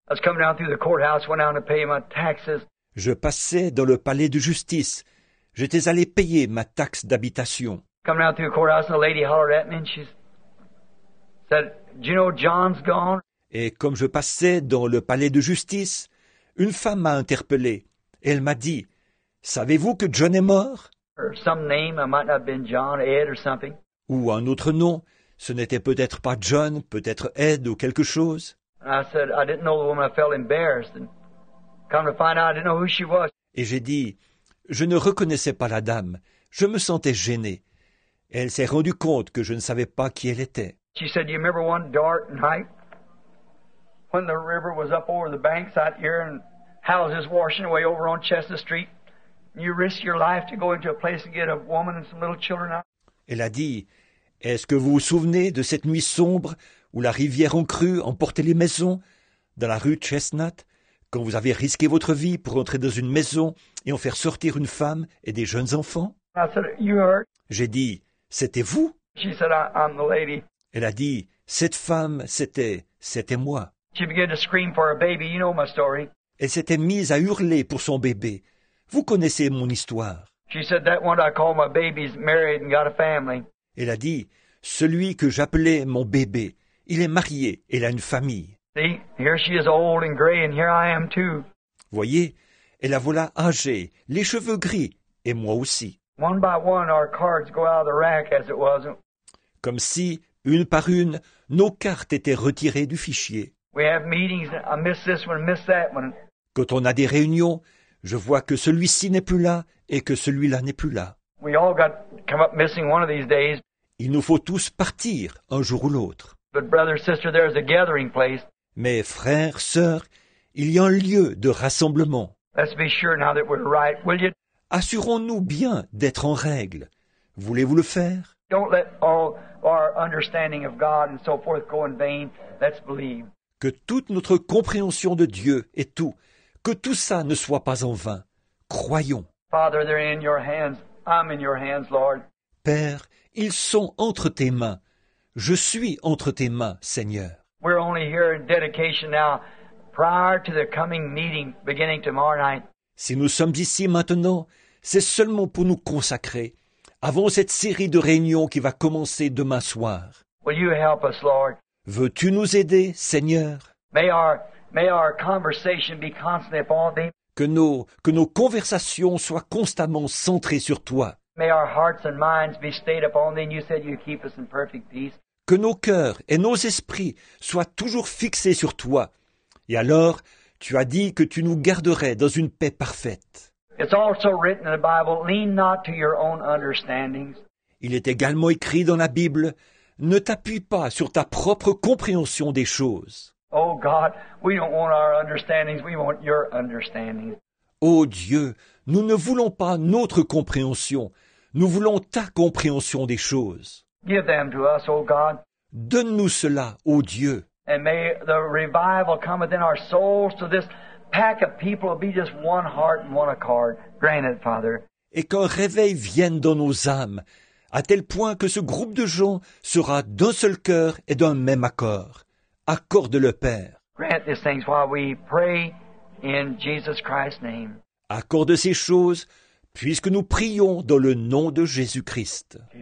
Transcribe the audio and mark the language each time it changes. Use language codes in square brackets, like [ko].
[en] I was coming down through the courthouse, went down to pay my taxes. [fr] Je passais dans le palais de justice. J'étais allé payer ma taxe d'habitation. [en] Coming down through the courthouse, and the lady hollered at me, and she said, do you know John's gone? [fr] Et comme je passais dans le palais de justice, une femme m'a interpellé. Elle m'a dit, savez-vous que John est mort? [en] Or some name, it might not have been John, Ed, or something. [fr] Ou un autre nom, ce n'était peut-être pas John, peut-être Ed ou quelque chose. [en] I said, I didn't know the woman, I felt embarrassed. And come to find out, I didn't know who she was. [fr] Et j'ai dit, je ne reconnaissais pas la dame, je me sentais gêné. Elle s'est rendue compte que je ne savais pas qui elle était. [en] She said, you remember one dark night when the river was up over the banks out here and houses washing away over on Chestnut Street? You risk your life to go into a place and get a woman and some little children out. [fr] Elle a dit, est-ce que vous vous souvenez de cette nuit sombre où la rivière en crue emportait les maisons dans la rue Chestnut, quand vous avez risqué votre vie pour entrer dans une maison et en faire sortir une femme et des jeunes enfants? [en] I said, you heard. [fr] J'ai dit, c'était vous? [en] She said, I'm the lady. [fr] Elle a dit, cette femme, c'était moi. [en] She began to scream for her baby. You know my story. [fr] Elle s'était mise à hurler pour son bébé. Vous connaissez mon histoire. [en] She said, that one I call my baby's married and got a family. [fr] Elle a dit, celui que j'appelais mon bébé, il est marié et il a une famille. [en] See, here she is old and gray and here I am too. [fr] Voyez, elle a voilà âgée, les cheveux gris et moi aussi. [en] One by one our cards go out of the rack as it was. [fr] Comme si, une par une, nos cartes étaient retirées du fichier. [en] We have meetings, I miss this one, miss that one. [fr] Quand on a des réunions, je vois que celui-ci n'est plus là et que celui-là n'est plus là. [en] We all got come up missing one of these days. [fr] Il nous faut tous partir un jour ou l'autre. [en] But brother, sister, there's a gathering place. [fr] Mais frères, sœurs, il y a un lieu de rassemblement. [en] Let's be sure now that we're right, will you? [fr] Assurons-nous bien d'être en règle. Voulez-vous le faire? [en] Don't let all our understanding of God and so forth go in vain. Let's believe. [fr] Que toute notre compréhension de Dieu et tout, que tout ça ne soit pas en vain. Croyons. [en] Father, they're in your hands. I'm in your hands, Lord. [fr] Père, ils sont entre tes mains. Je suis entre tes mains, Seigneur. [en] We're only here in dedication now, prior to the coming meeting beginning tomorrow night. [fr] Si nous sommes ici maintenant, c'est seulement pour nous consacrer avant cette série de réunions qui va commencer demain soir. [en] Will you help us, Lord? [fr] Veux-tu nous aider, Seigneur? [en] May our conversation be constantly upon thee. [fr] Que nos conversations soient constamment centrées sur toi. [en] May our hearts and minds be stayed upon thee. You said you keep us in perfect peace. [fr] Que nos cœurs et nos esprits soient toujours fixés sur toi. Et alors, tu as dit que tu nous garderais dans une paix parfaite. [en] It's also written in the Bible, lean not to your own understandings. [fr] Il est également écrit dans la Bible, ne t'appuie pas sur ta propre compréhension des choses. [en] Oh God, we don't want our understandings, we want your understandings. [fr] Oh Dieu, nous ne voulons pas notre compréhension, nous voulons ta compréhension des choses. [en] Give them to us, oh God. [fr] Donne-nous cela, oh Dieu. [en] And may the revival come within our souls to this pack of people be just one heart and one accord. Granted, Father. [fr] Et qu'un réveil vienne dans nos âmes, à tel point que ce groupe de gens sera d'un seul cœur et d'un même accord. Accorde-le, Père. [en] Grant these things while we pray in Jesus Christ's name. [fr] Accorde ces choses, puisque nous prions dans le nom de Jésus-Christ.